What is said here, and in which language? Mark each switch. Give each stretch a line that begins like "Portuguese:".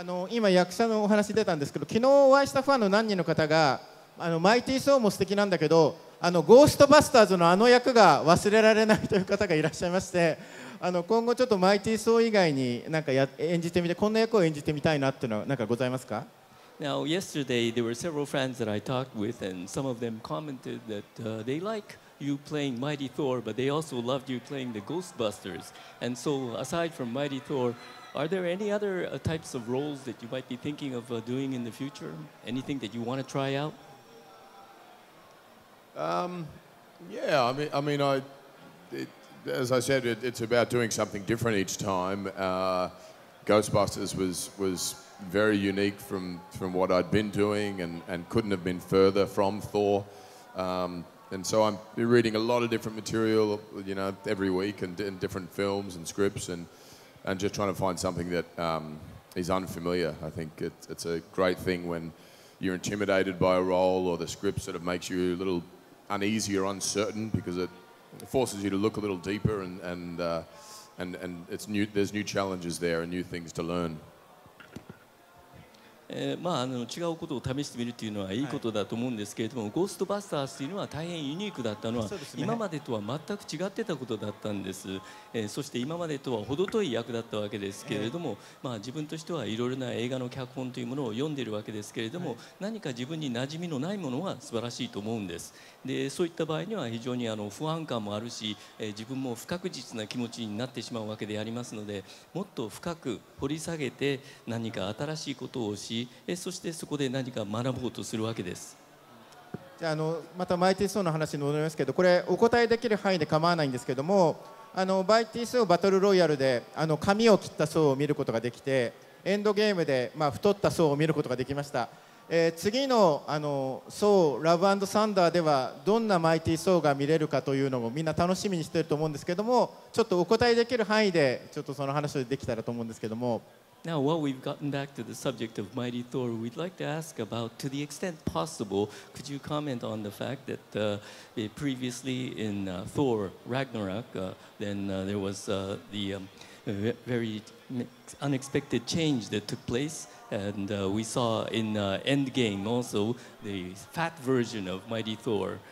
Japanese: 今役者のお話出たんですけど、昨日お会いしたファンの何人の方がマイティーソーも素敵なんだけど、ゴーストバスターズのあの役が忘れられないという方がいらっしゃいまして、今後ちょっとマイティーソー以外に何か演じてみて、こんな役を演じてみたいなっていうのは何かございますか？
English: Now, yesterday there were several friends that I talked with, and some of them commented that they like you playing Mighty Thor, but they also loved you playing the Ghostbusters. And so, aside from Mighty Thor, are there any other types of roles that you might be thinking of doing in the future? Anything that you want to try out? Yeah, I mean, as I said, it's about doing something different each time. Ghostbusters was very unique from what I'd been doing and couldn't have been further from Thor. And so I'm reading a lot of different material, you know, every week and different films and scripts and just trying to find something that is unfamiliar. I think it's a great thing when you're intimidated by a role or the script sort of makes you a little... uneasy or uncertain because it forces you to look a little deeper and it's new, there's new challenges there and new things to learn.
Japanese: 違うことを試してみるというのはいいことだと思うんですけれども、はい、ゴーストバスターズというのは大変ユニークだったのは、ね、今までとは全く違ってたことだったんです、そして今までとは程遠い役だったわけですけれども、自分としてはいろいろな映画の脚本というものを読んでいるわけですけれども、はい、何か自分に馴染みのないものは素晴らしいと思うんです。でそういった場合には非常に不安感もあるし、自分も不確実な気持ちになってしまうわけでありますので、もっと深く掘り下げて何か新しいことをし、そしてそこで何か学ぼうとするわけです。じゃあまたマイティーソーの話に戻りますけど、これお答えできる範囲で構わないんですけども、マイティーソーバトルロイヤルで髪を切ったソーを見ることができて、エンドゲームで、太ったソーを見ることができました。次のソーラブ&サンダーではどんなマイティーソーが見れるかというのもみんな楽しみにしていると思うんですけども、ちょっとお答えできる範囲でちょっとその話をできたらと思うんですけども。
English: Now, while we've gotten back to the subject of Mighty Thor, we'd like to ask about, to the extent possible, could you comment on the fact that previously in Thor Ragnarok, there was very unexpected change that took place, and we saw in Endgame also the fat version of Mighty Thor.